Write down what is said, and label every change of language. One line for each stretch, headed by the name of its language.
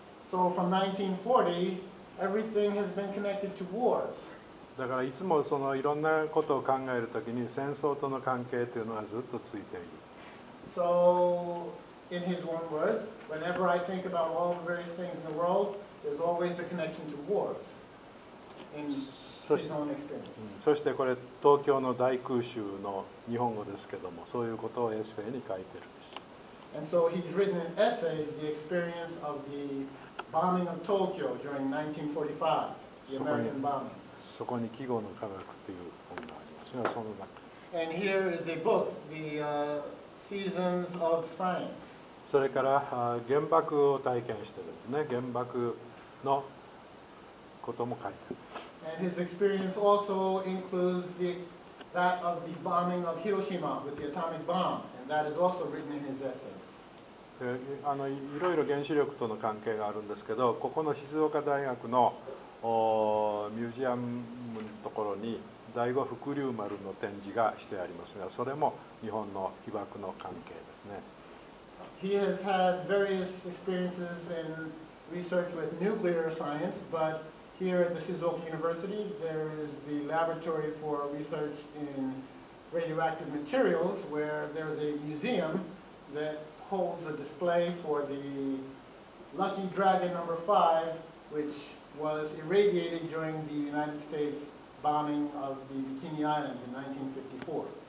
English: So from 1940,Everything has been connected to wars.
Japanese: だからいつもそのいろんなことを考えるときに戦争との関係というのはずっとついている。
English: So, in his own words, whenever I think about all the various things in the world, there's always a connection to wars. In his own experience.
Japanese: そしてこれ東京の大空襲の日本語ですけども、そういうことをエッセイに書いてる。
English: And so he's written an essay, the experience of theBombing of Tokyo during 1945, the American bombing.
Japanese: そこに季語の科学という本がありますが、その中。
English: And here is a book, the Seasons of Science.
Japanese: それから、原爆を体験してですね、原爆のことも書いてある。
English: And his experience also includes that of the bombing of Hiroshima with the atomic bomb, and that is also written in his essay.
Japanese: いろいろ原子力との関係があるんですけど、ここの静岡大学のミュージアムのところに第五福竜丸の展示がしてありますが、それも日本の被爆の関係ですね。
English: He has had various experiences in research with nuclear science, but here at the Shizuoka University, there is the laboratory for research in radioactive materials, where there is a museum that holds a display for the Lucky Dragon number 5, which was irradiated during the United States bombing of the Bikini Island in 1954.